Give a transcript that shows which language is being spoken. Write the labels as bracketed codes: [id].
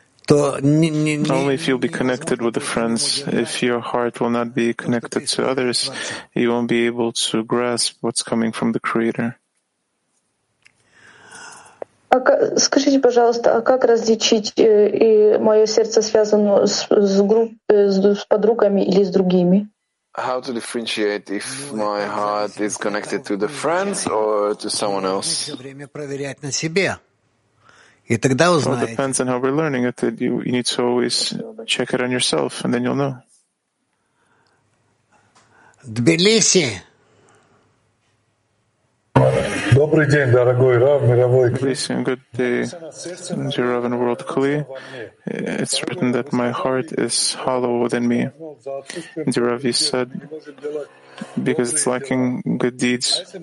[en] Only if you'll be connected with the friends. If your heart will not be connected to others, you won't be able to grasp what's coming from the Creator. [ru] Скажите, пожалуйста, а как различить и мое сердце связано с группой, с подругами или с другими? [en] How to differentiate if my heart is connected to the friends or to someone else? [ru] Время проверять на себе. И тогда узнаете. [en] Well, it depends on how we're learning it. That you need to always check it on yourself, and then you'll know. [ru] Тбилиси. Добрый день, дорогой Рав, мировой Кли. [en] Good day, dear Rav and world Kli. It's written that my heart is hollow within me. Dear Rav, you said, because it's lacking good deeds.